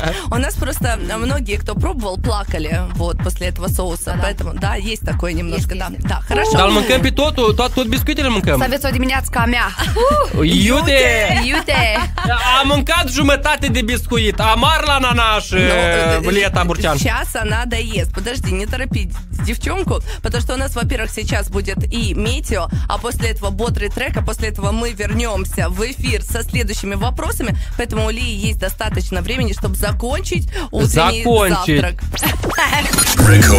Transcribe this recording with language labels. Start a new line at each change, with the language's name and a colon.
Russian: У нас просто многие, кто пробовал, плакали вот после этого соуса. Поэтому, да, есть такое немножко. Да, хорошо.
Romanian: Dar mâncăm pe totul, tot biscuitele mâncăm. Să aveți o dimineață ca mea. Iute! Iute! Am mâncat jumătate de biscuit. Amar la nanaș, Лета Бурчан.
Russian: Сейчас она доест. Подожди, не торопи девчонку. Потому что у нас, во-первых, сейчас будет и метео, а после этого бодрый трек, а после этого мы вернемся в эфир со следующими вопросами. Поэтому у Лии есть достаточно времени, чтобы закончить утренний завтрак.